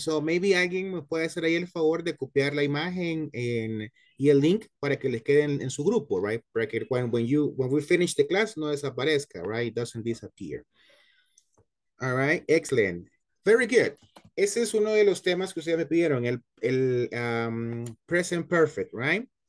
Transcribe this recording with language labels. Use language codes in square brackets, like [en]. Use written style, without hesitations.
[en] So maybe [es] alguien me puede hacer ahí el favor de copiar la imagen y el link para que les queden en su grupo, right? Para que [en] when we finish the class, [es] no desaparezca, [en] right? It doesn't disappear. All right, excellent. Very good. [es] Ese es uno de los temas que ustedes me pidieron, el present perfect, right?